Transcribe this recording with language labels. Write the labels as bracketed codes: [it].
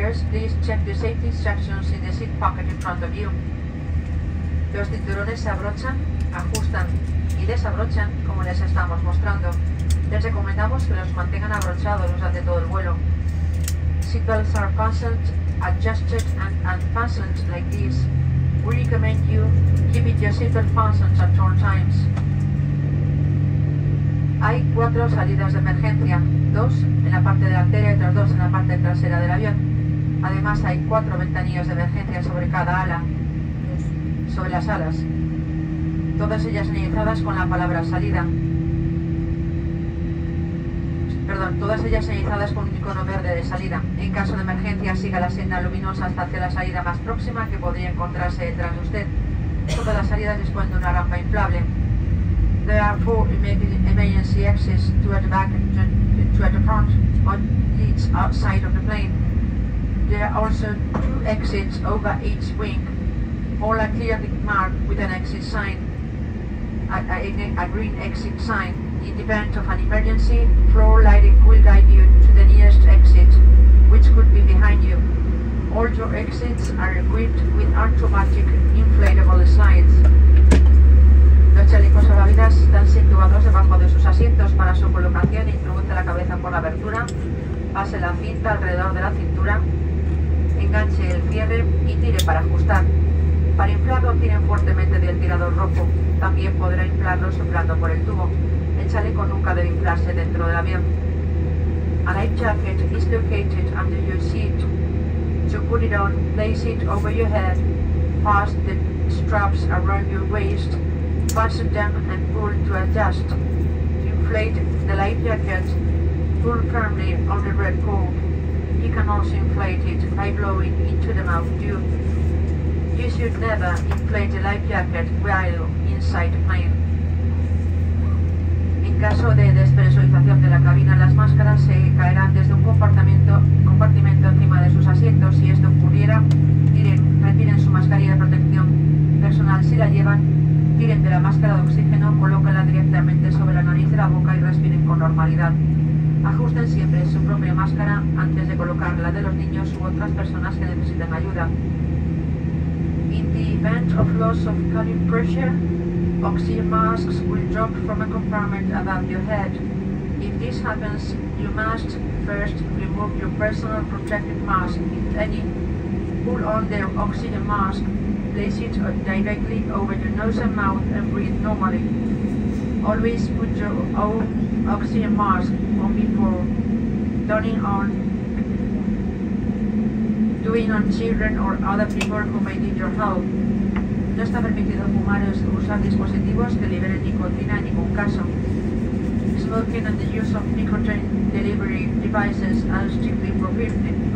[en] Please check the safety instructions in the seat pocket in front of you. [es] Los cinturones se abrochan, ajustan y desabrochan como les estamos mostrando. Les recomendamos que los mantengan abrochados durante todo el vuelo. [en] Seat belts are fastened, adjusted and unfastened like this. We recommend you keeping your seat belt fastened at all times. [es] Hay cuatro salidas de emergencia, dos en la parte delantera y otras dos en la parte trasera del avión. Además, hay cuatro ventanillas de emergencia sobre cada ala, sobre las alas, todas ellas señalizadas con la palabra salida. Perdón, todas ellas señalizadas con un icono verde de salida. En caso de emergencia, siga la senda luminosa hasta hacia la salida más próxima que podría encontrarse detrás de usted. Todas las salidas disponen de una rampa inflable. [en] There are four emergency exits, two at the back and two at the front, on each outside of the plane. There are also two exits over each wing. All are clearly marked with an exit sign, a green exit sign. In the event of an emergency, floor lighting will guide you to the nearest exit, which could be behind you. All your exits are equipped with automatic inflatable slides. [es] Los chalecos salvavidas están situados debajo de sus asientos para su colocación. Introduce la cabeza por la abertura, pase la cinta alrededor de la cintura, enganche el cierre y tire para ajustar. Para inflarlo, tiren fuertemente del tirador rojo. También podrá inflarlo soplando por el tubo. El chaleco nunca debe inflarse dentro del avión. [en] A life jacket is located under your seat. To put it on, place it over your head. Pass the straps around your waist. Fasten them and pull to adjust. Inflate the life jacket. Pull firmly on the red cord. You can also inflate it by blowing into the mouth tube. You should never inflate a life jacket while inside the plane. [es] En caso de despresurización de la cabina, las máscaras se caerán desde un compartimento encima de sus asientos. Si esto ocurriera, retiren su mascarilla de protección personal. Si la llevan, tiren de la máscara de oxígeno, colóquenla directamente sobre la nariz y la boca y respiren con normalidad. Ajusten siempre su propia máscara antes de colocar la de los niños u otras personas que necesiten ayuda. [en] In the event of loss of cabin pressure, oxygen masks will drop from a compartment above your head. If this happens, you must first remove your personal protective mask, if any. Pull on the oxygen mask, place it directly over your nose and mouth and breathe normally. Always put your own oxygen mask on before donning on, doing on children or other people who may need your help. [es] No está permitido fumar o usar dispositivos que liberen nicotina en ningún caso. [en] Smoking and the use of nicotine delivery devices are strictly prohibited.